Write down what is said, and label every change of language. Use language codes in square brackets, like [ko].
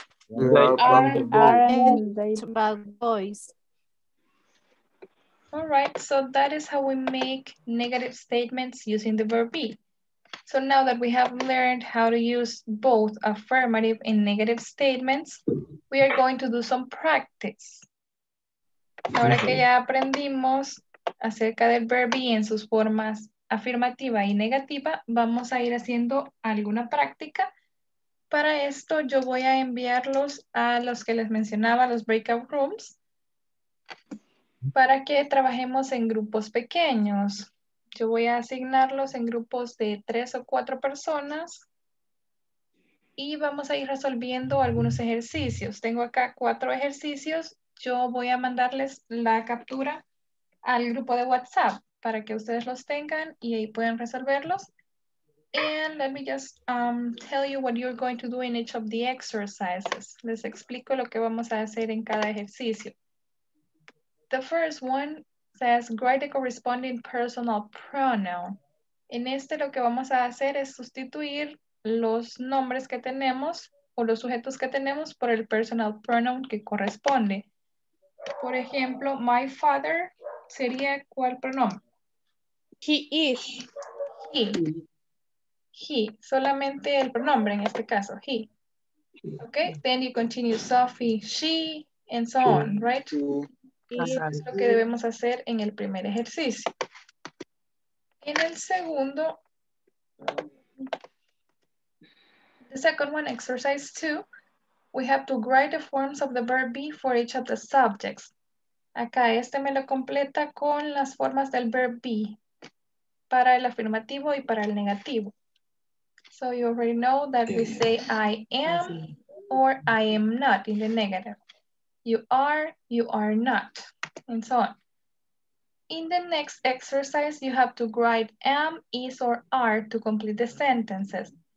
[en] They aren't bad boys. All right, so that is how we make negative statements using the verb be. So now that we have learned how to use both affirmative and negative statements, we are going to do some practice. [es] Ahora que ya aprendimos acerca del verb be en sus formas afirmativa y negativa, vamos a ir haciendo alguna práctica. Para esto yo voy a enviarlos a los que les mencionaba, los breakout rooms, para que trabajemos en grupos pequeños. Yo voy a asignarlos en grupos de 3 o 4 personas y vamos a ir resolviendo algunos ejercicios. Tengo acá 4 ejercicios. Yo voy a mandarles la captura al grupo de WhatsApp para que ustedes los tengan y ahí puedan resolverlos. [en] And let me just tell you what you're going to do in each of the exercises. [es] Les explico lo que vamos a hacer en cada ejercicio. [en] The first one says, write the corresponding personal pronoun. [es] En este lo que vamos a hacer es sustituir los nombres que tenemos o los sujetos que tenemos por el personal pronoun que corresponde. Por ejemplo, [en] my father [es] sería, ¿cuál pronombre? [en] He is. [es] He. He. Solamente el pronombre en este caso, he. [en] Okay, then you continue, Sophie, she, and so on, right? [es] Y es lo que debemos hacer en el primer ejercicio. En el segundo, [en] the second one, exercise 2, we have to write the forms of the verb be for each of the subjects. [es] Acá este me lo completa con las formas del verb be para el afirmativo y para el negativo. [en] So you already know that we say I am or I am not in the negative. You are not, and so on. In the next exercise, you have to write am, is, or are to complete the sentences.